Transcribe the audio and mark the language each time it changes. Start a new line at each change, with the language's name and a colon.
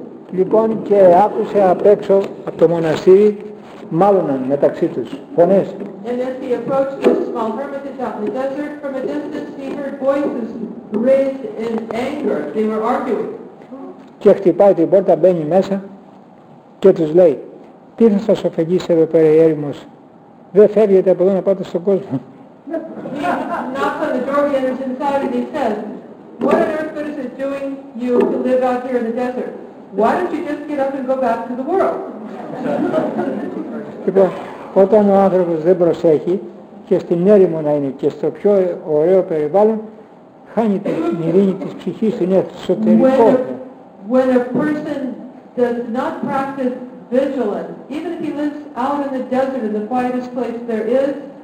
Greek: Λοιπόν και άκουσε απ' έξω από το μοναστήρι μάλωναν μεταξύ τους φωνές.
English: And as he approached this small hermitage out in the desert, from a distance he heard voices raised in anger. They were arguing.
Greek: Και χτυπάει την πόρτα, μπαίνει μέσα και τους λέει, τι θα σας ωφελήσει εδώ πέρα η έρημος, δεν φεύγετε από εδώ να πάτε στον κόσμο.
English: He knocks on the door, he enters inside and he says, what on earth is it doing you to live out here in the desert? Why don't you just get up and go back to the world?
Greek: Όταν ο άνθρωπος δεν προσέχει και στην έρημο να είναι και στο πιο ωραίο περιβάλλον, χάνει την ειρήνη της ψυχής, είναι εσωτερικό.
English: When a person does not practice vigilance, even if he lives out in the desert in the quietest place there is,